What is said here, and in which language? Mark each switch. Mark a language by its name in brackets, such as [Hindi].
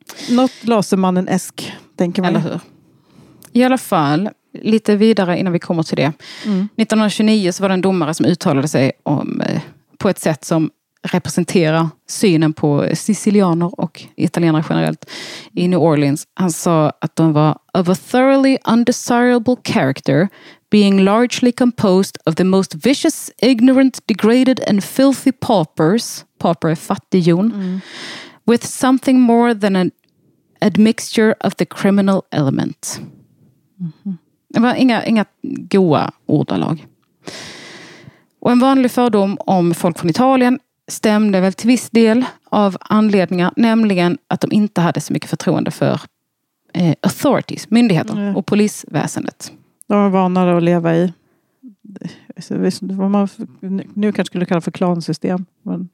[Swedish] Något lasermannen-esk, tänker man. Eller hur? I alla fall, lite vidare innan vi kommer till det. Mm. 1929 så var det en domare som uttalade sig om, på ett sätt som representerar synen på sicilianer och italienare generellt i New Orleans. Han sa att de var [English] "of a thoroughly undesirable character, being largely composed of the most vicious, ignorant, degraded and filthy paupers." [Swedish] Pauper är fattighjon. Mm. [English] "With something more than an admixture of the criminal element." Mm-hmm. [Swedish] Det var inga goa ordalag. Och en vanlig fördom om folk från Italien stämde väl till viss del av anledningar. Nämligen att de inte hade så mycket förtroende för authorities, myndigheter och polisväsendet. De var vana att leva i. Man nu kanske skulle kalla för klansystem. Men...